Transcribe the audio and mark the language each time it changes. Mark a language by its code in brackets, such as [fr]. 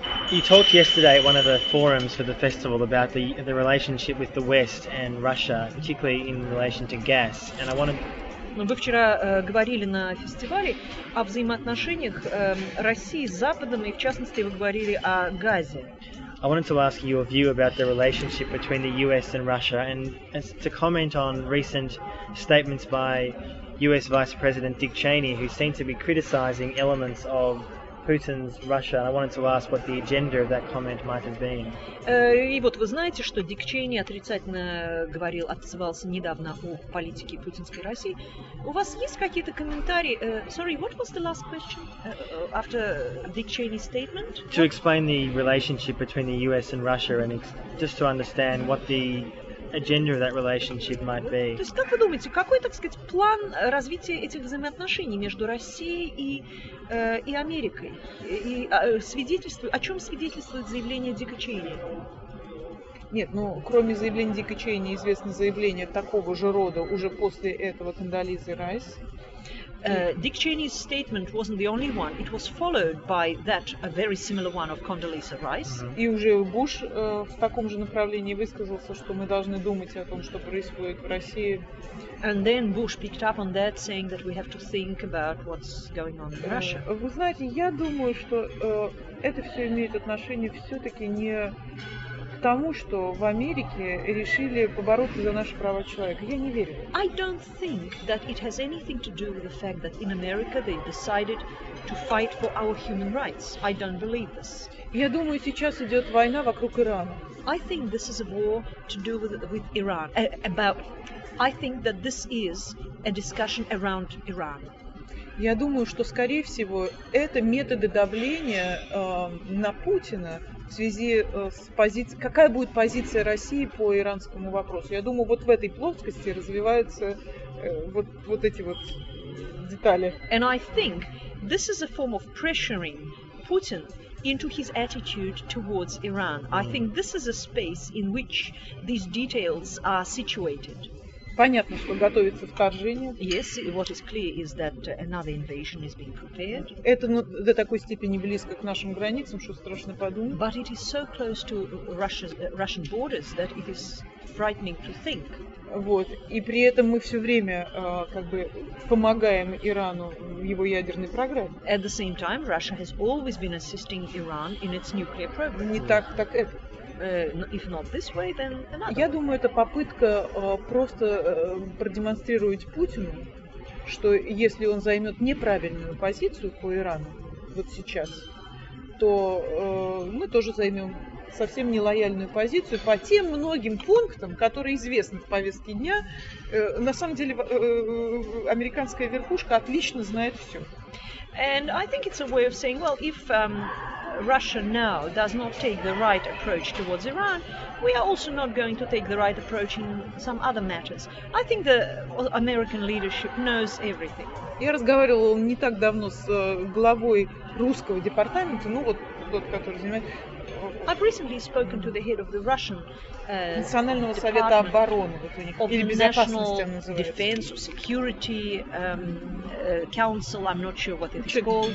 [en] You talked yesterday at one of the forums for the festival about the relationship with the West and Russia, particularly in relation to gas, and I wanted... [ru] Но вы вчера говорили на фестивале о взаимоотношениях России с Западом, и в частности вы говорили о газе. [en] I wanted to ask you a view about the relationship between the US and Russia, and to comment on recent statements by US Vice President Dick Cheney, who seemed to be criticizing elements of Putin's Russia, and I wanted to ask what the agenda of that comment might have been. [ru] И вот вы знаете, что Дик Чейни отрицательно отзывался недавно о политике путинской России. У вас есть какие-то комментарии? [en] Sorry, what was the last question after Dick Cheney's statement? To explain the relationship between the US and Russia, and just to understand what the agenda of that relationship might be. [ru] То есть, как вы думаете, какой, так сказать, план развития этих взаимоотношений между Россией и Америкой? О чем свидетельствует заявление Дика Чейни? Нет, ну, кроме заявления Дика Чейни, известно заявление такого же рода уже после этого Кондолизы Райс. [en] Dick Cheney's statement wasn't the only one. It was followed by that, a very similar one of Condoleezza Rice. [ru] И уже Буш в таком же направлении высказался, что мы должны думать о том, что происходит в России. [en] And then Bush picked up on that, saying that we have to think about what's going on in Russia. [ru] Вы знаете, я думаю, что это все имеет отношение все-таки не к тому, что в Америке решили побороться за наши права человека. Я не верю. [en] I don't think that it has anything to do with the fact that in America they decided to fight for our human rights. I don't believe this. [ru] Я думаю, сейчас идет война вокруг Ирана. [en] I think this is a war to do with Iran. I think that this is a discussion around Iran. [ru] Я думаю, что, скорее всего, это методы давления на Путина в связи с позицией... Какая будет позиция России по иранскому вопросу? Я думаю, вот в этой плоскости развиваются вот эти вот детали. [en] And I think this is a form of pressuring Putin into his attitude towards Iran. I think this is a space in which these details are situated. [ru] Понятно, что готовится вторжение. [en] Yes, what is clear is that another invasion is being prepared. [ru] Это до такой степени близко к нашим границам, что страшно подумать. [en] But it is so close to Russian borders that it is frightening to think. [ru] Вот. И при этом мы все время как бы помогаем Ирану в его ядерной программе. [en] At the same time, Russia has always been assisting Iran in its nuclear program. [ru] Не так, так это. [en] If not this way, then another. [ru] Я думаю, это попытка просто продемонстрировать Путину, что если он займет неправильную позицию по Ирану вот сейчас, то мы тоже займем совсем нелояльную позицию по тем многим пунктам, которые известны в повестке дня. На самом деле американская верхушка отлично знает все. [en] And I think it's a way of saying, well, if Russia now does not take the right approach towards Iran, we are also not going to take the right approach in some other matters. I think the American leadership knows everything. [ru] Я разговаривала не так давно с главой русского департамента, ну вот тот, который занимается... [en] I've recently spoken to the head of the Russian [ru] Национального совета обороны, вот у них, или безопасности она называется. [en] Defense or security, Council, I'm not sure what it is called.